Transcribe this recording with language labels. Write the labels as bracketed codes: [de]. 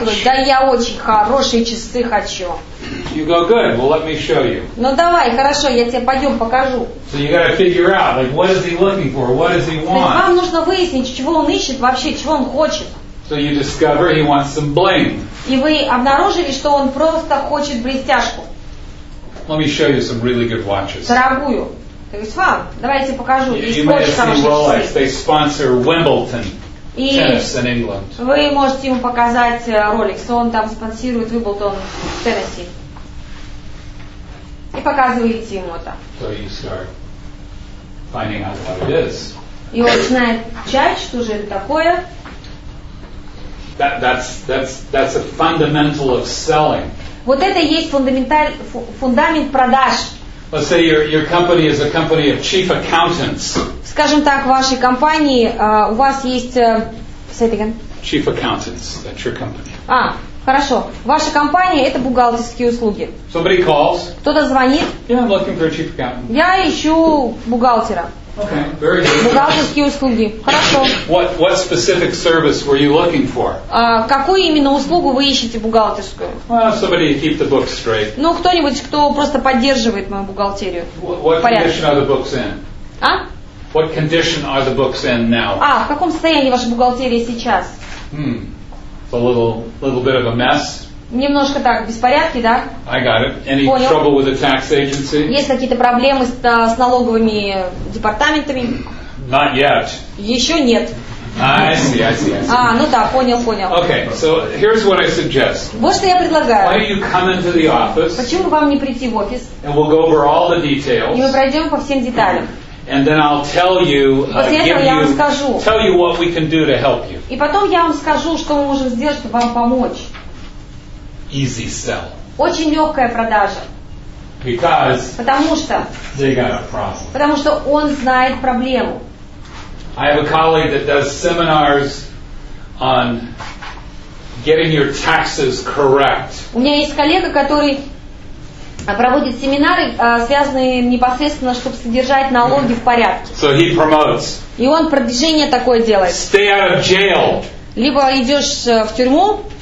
[ru] Говорит, да, я очень хорошие часы хочу. [en] You go, good, well, let me show you. [ru] Ну, давай, хорошо, я тебе пойдем покажу. [en] So you got to figure out, like, what is he looking for, what does he want? [ru] То есть, вам нужно выяснить, чего он ищет вообще, чего он хочет. [en] So you discover he wants some bling. [ru] И вы обнаружили, что он просто хочет блестяшку. [en] Let me show you some really good watches. [ru] Дорогую. То есть вам, давайте покажу. [en] You may have seen Rolex. They sponsor Wimbledon tennis in England. [ru] Вы можете ему показать Rolex. Он там спонсирует Wimbledon в Теннесси. И показываете ему это. [en] So you start. finding out what it is. [ru] И он начинает чать, что же это такое. [en] That's a fundamental of selling. [ru] Вот это и есть фундамент продаж. [en] Let's say your company is a company of chief accountants. [ru] Скажем так, в вашей компании у вас есть... [en] Say it again. Chief accountants, that's your company. [ru] А, хорошо. Ваша компания – это бухгалтерские услуги. [en] Somebody calls. [ru] Кто-то звонит. [en] Yeah, I'm looking for a chief accountant. [ru] Я ищу бухгалтера. [en] Okay, very good. [ru] Бухгалтерские услуги. Хорошо. [en] What specific service were you looking for? [ru] Какую именно услугу вы ищете бухгалтерскую? [en] Well, somebody to keep the books straight. [ru] Ну, кто-нибудь, кто просто поддерживает мою бухгалтерию. [en] What condition are the books in? А? What condition are the books in now? [ru] А, в каком состоянии ваша бухгалтерия сейчас? [en] It's a little bit of a mess. [ru] Немножко так, беспорядки, да? [en] I got it. Any [ru] Понял. [en] Trouble with the tax agency? [ru] Есть какие-то проблемы с налоговыми департаментами? [en] Not yet. [ru] Еще нет. [en] I see. [ru] А, ну да, понял. [en] Okay, so here's what I suggest. [ru] Вот что я предлагаю. [en] Why don't you come into the office? [ru] Почему вам не прийти в офис? [en] And we'll go over all the details. [ru] И мы пройдем по всем деталям. [en] And then I'll tell you, tell you what we can do to help you. [ru] И потом я вам скажу, что мы можем сделать, чтобы вам помочь. [en] Easy sell. [ru] Очень легкая продажа. [en] Because [ru] потому что [en] they got a problem. [ru] Потому что он знает проблему. [en] I have a colleague that does seminars on getting your taxes correct. [ru] У меня есть коллега, который проводит семинары, связанные непосредственно, чтобы содержать налоги в порядке. [en] So he promotes. [ru] И он продвижение такое делает. [en] Stay out of jail. [ru] Либо идешь в тюрьму.